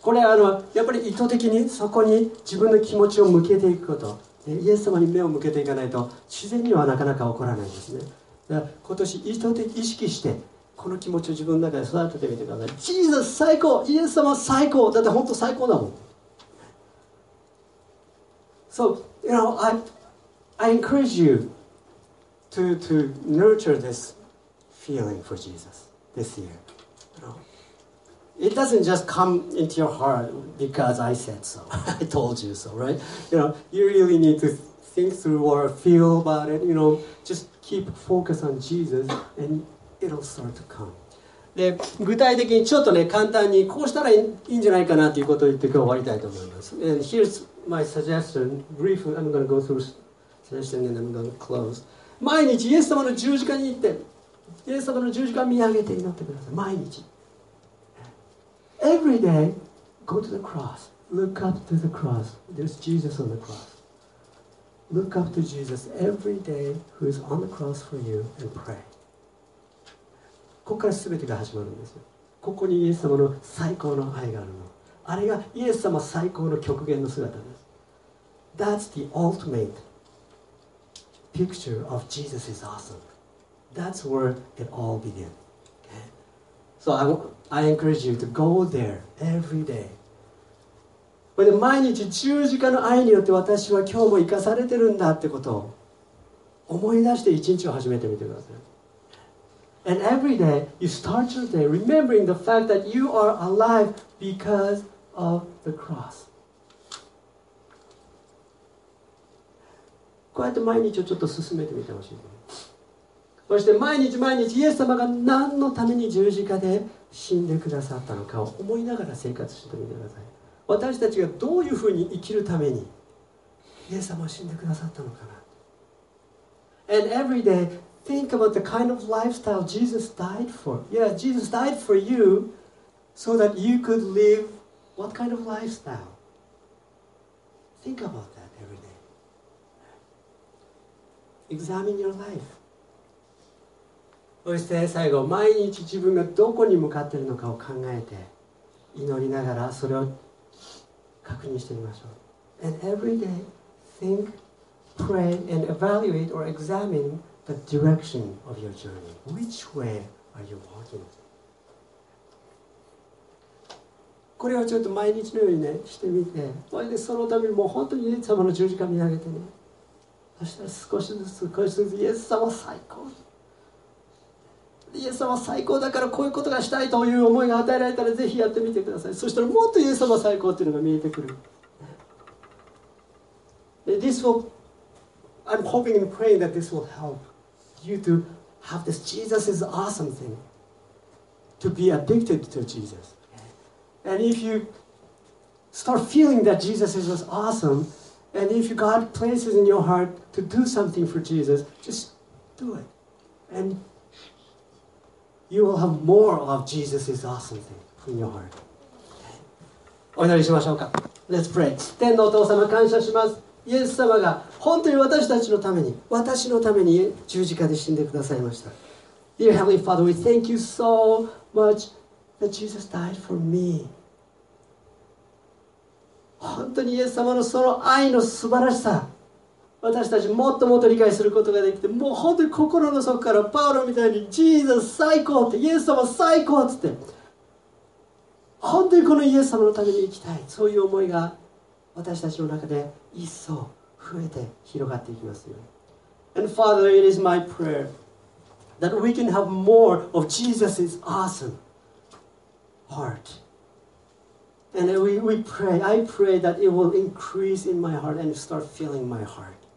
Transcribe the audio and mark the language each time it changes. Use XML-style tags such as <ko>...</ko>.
<ja>これ、やっぱり意図的にそこに自分の気持ちを向けていくこと、イエス様に目を向けていかないと、自然にはなかなか起こらないんですね。だから今年、意図的意識して、この気持ちを自分の中で育ててみてください。ジーザス最高、イエス様最高、だって本当最高だもん。</ja> <en>So, you know, I encourage you to nurture this feeling for Jesus this year. You know, it doesn't just come into your heart because I said so. I told you so, right? You know, you really need to think through or feel about it. You know, just keep focus on Jesus and it'll start to come.</en> <ja>で、具体的にちょっとね、簡単にこうしたらいいんじゃないかなということを言って今日終わりたいと思います。</ja> <en>And here'sMy suggestion, brief, I'm going to go through suggestion and I'm going to close.</en> <ja>毎日イエス様の十字架に行って、イエス様の十字架を見上げて祈ってください。毎日。</ja> <en>Every day, go to the cross. Look up to the cross. There's Jesus on the cross. Look up to Jesus every day who is on the cross for you and pray.</en> <ja>ここから全てが始まるんですよ。ここにイエス様の最高の愛があるの。あれがイエス様最高の極限の姿です。</ja> <en>That's the ultimate picture of Jesus is awesome. That's where it all began. Okay? So I encourage you to go there every day.</en> <ja>で毎日十字架の愛によって私は今日も生かされてるんだってことを思い出して一日を始めてみてください。</ja> <en>And every day you start your day remembering the fact that you are alive becauseOf the cross.</en> <ja>こうやって毎日をちょっと進めてみてほしい、ね、そして毎日毎日イエス様が何のために十字架で死んでくださったのかを思いながら生活してみてください。私たちがどういうふうに生きるためにイエス様は死んでくださったのかな。</ja> <en>And every day think about the kind of lifestyle Jesus died for. Yeah, Jesus died for you so that you could liveWhat kind of lifestyle? Think about that every day. Examine your life.</en> <ja>そして最後、毎日自分がどこに向かっているのかを考えて、祈りながらそれを確認してみましょう。</ja> <en>And every day, think, pray, and evaluate or examine the direction of your journey. Which way are you walking?</en> <ja>これをちょっと毎日のようにねしてみて、それでそのためにもう本当にイエス様の十字架を見上げてね、そしたら少しずつ少しずつイエス様最高、イエス様最高だからこういうことがしたいという思いが与えられたらぜひやってみてください。そしたらもっとイエス様最高っていうのが見えてくる。</ja> <en>This will, I'm hoping and praying that this will help you to have this Jesus is awesome thing, to be addicted to Jesus. And if you start feeling that Jesus is awesome, and if God places in your heart to do something for Jesus, just do it. And you will have more of Jesus' awesome thing in your heart.</en> <ja>お祈りしましょうか。</ja> <en>Let's pray.</en> <ja>天のお父様、感謝します。イエス様が本当に私たちのために、私のために十字架で死んでくださいました。</ja> <en>Dear Heavenly Father, we thank you so much that Jesus died for me.</en> <ja>本当にイエス様のその愛の素晴らしさ、私たちもっともっと理解することができて、もう本当に心の底からパウロみたいにジーザス最高って、イエス様最高って、本当にこのイエス様のために生きたい、そういう思いが私たちの中で一層増えて広がっていきますよ。</ja> <en>And Father, it is my prayer that we can have more of Jesus' awesome heartAnd we pray, I pray that it will increase in my heart and start filling my heart.</en>